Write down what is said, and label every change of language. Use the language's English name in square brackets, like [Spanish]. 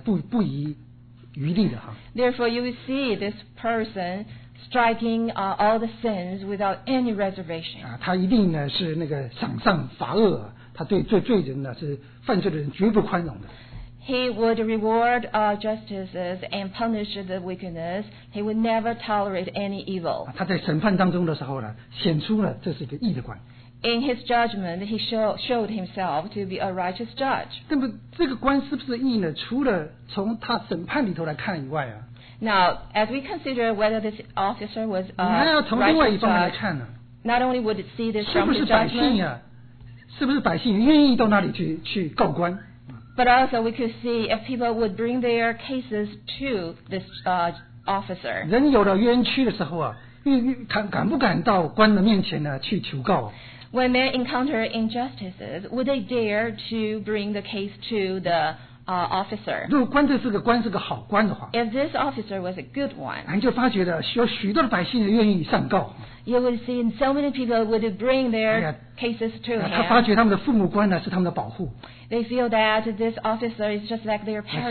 [Chinese] 那么你会发觉他是打击罪犯呢，不遗余力的哈。 [English] Therefore, you will see this person striking all the sins without any reservation. [Chinese] 他一定呢是那个赏善罚恶，他对罪人呢是犯罪的人绝不宽容的。 [English] He would reward justices and punish the wickedness. He would never tolerate any evil. [Chinese] 他在审判当中的时候呢，显出了这是一个义的官。 [English] In his judgment, he showed himself to be a righteous judge. [Chinese] 那么这个官是不是义呢？除了从他审判里头来看以外啊。 [English] Now, as we consider whether this officer was a righteous judge, [Chinese] 你还要从另外一方面来看呢。 [English] not only would it see this from the judgment, [Chinese] 是不是百姓愿意到那里去告官? [English] But also we could see if people would bring their cases to this officer. [Chinese] 人有了冤屈的时候，敢不敢到官的面前去求告？ [English] When men encounter injustices, would they dare to bring the case to the officer? [Chinese] 如果官是个好官的话, [English] if this officer was a good one, [Chinese] 人就发觉了许多百姓愿意上告。 [English] You would see so many people would bring their cases to him. [Chinese] 他发觉他们的父母官是他们的保护。 [English] They feel that this officer is just like their parents.